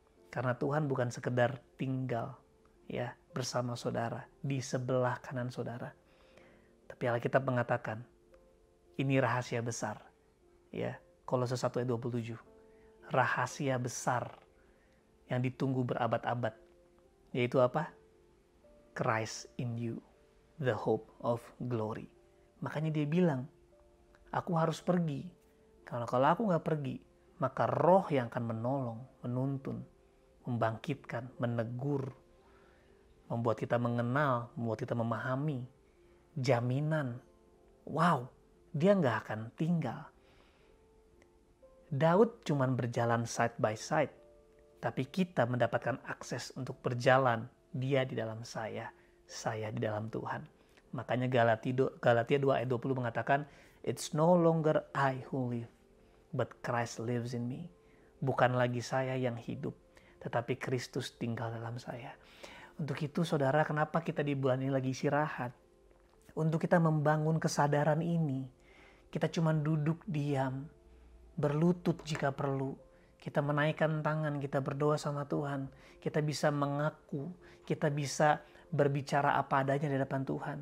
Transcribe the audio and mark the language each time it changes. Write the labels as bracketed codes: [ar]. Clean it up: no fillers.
[id] Karena Tuhan bukan sekedar tinggal ya bersama saudara, di sebelah kanan saudara. Tapi Alkitab mengatakan, ini rahasia besar. Ya, Kolose 1 ayat 27. Rahasia besar yang ditunggu berabad-abad. Yaitu apa? [en] Christ in you, the hope of glory. [id] Makanya dia bilang, aku harus pergi. Karena kalau aku gak pergi, maka roh yang akan menolong, menuntun, membangkitkan, menegur, membuat kita mengenal, membuat kita memahami, jaminan. Wow, dia gak akan tinggal. Daud cuma berjalan [en] side by side, [id] tapi kita mendapatkan akses untuk berjalan dia di dalam saya di dalam Tuhan. Makanya Galatia 2 ayat 20 mengatakan, [en] it's no longer I who live, but Christ lives in me. [id] Bukan lagi saya yang hidup, tetapi Kristus tinggal dalam saya. Untuk itu saudara, kenapa kita di bulan ini lagi istirahat? Untuk kita membangun kesadaran ini, kita cuma duduk diam, berlutut jika perlu. Kita menaikkan tangan, kita berdoa sama Tuhan. Kita bisa mengaku, kita bisa berbicara apa adanya di hadapan Tuhan.